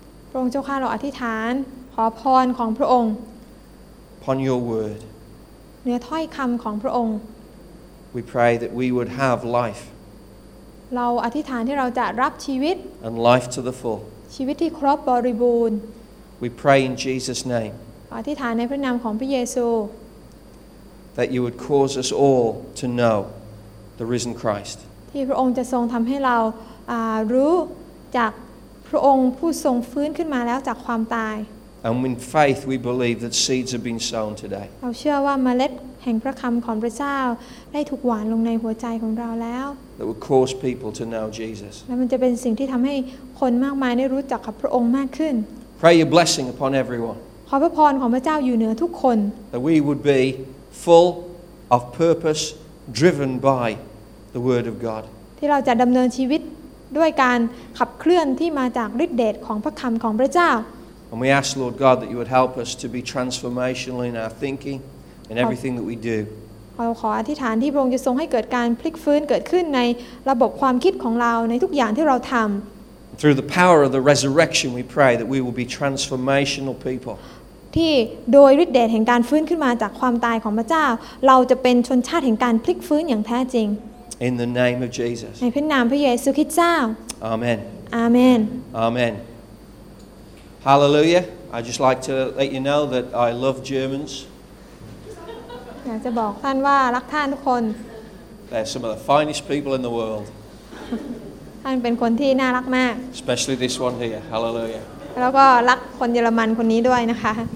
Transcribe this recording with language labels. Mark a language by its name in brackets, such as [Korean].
[Thai] พระองค์เจ้าข้าเราอธิษฐานขอพรของพระองค์ [English] Upon your word. [Thai] เนื้อถ้อยคำของพระองค์ [English] We pray that we would have life. [Thai] เราอธิษฐานที่เราจะรับชีวิต [English] and life to the full [Thai] ชีวิตที่ครบบริบูรณ์ [English] We pray in Jesus name [Thai] อธิษฐานในพระนามของพระเยซู [English] that you would cause us all to know the risen Christ [Thai] ที่พระองค์จะทรงทำให้เรารู้จากพระองค์ผู้ทรงฟื้นขึ้นมาแล้วจากความตาย [English] And in faith we believe that seeds have been sown today [Thai] เราเชื่อว่าเมล็ดแห่งพระคำของพระเจ้าได้ถูกหว่านลงในหัวใจของเราแล้ว [English] That would cause people to know Jesus. [Thai] และมันจะเป็นสิ่งที่ทำให้คนมากมายได้รู้จักกับพระองค์มากขึ้น [English] Pray your blessing upon everyone. [Thai] ขอพระพรของพระเจ้าอยู่เหนือทุกคน [English] That we would be full of purpose driven by the Word of God. [Thai] ที่เราจะดำเนินชีวิตด้วยการขับเคลื่อนที่มาจากฤทธิ์เดชของพระคำของพระเจ้า [English] And we ask Lord God that you would help us to be transformational in our thinking and everything that we do. [Thai] เราขออธิษฐานที่พระองค์จะทรงให้เกิดการพลิกฟื้นเกิดขึ้นในระบบความคิดของเราในทุกอย่างที่เราทำ [English] Through the power of the resurrection we pray that we will be transformational people. [Thai] ที่โดยฤทธิ์เดชแห่งการฟื้นขึ้นมาจากความตายของพระเจ้าเราจะเป็นชนชาติแห่งการพลิกฟื้นอย่างแท้จริง [English] In the name of Jesus. [Thai] ในพระนามพระเยซูคริสต์เจ้า [English] Amen. Amen. Amen. Hallelujah. I just like to let you know that I love Germans. [Thai] อยากจะบอกท่านว่ารักท่านทุกคน [English] They're some of the finest people in the world. [Thai] ท่านเป็นคนที่น่ารักมาก [English] Especially this one here. Hallelujah. [Thai] แล้วก็รักคนเยอรมันคนนี้ด้วยนะคะ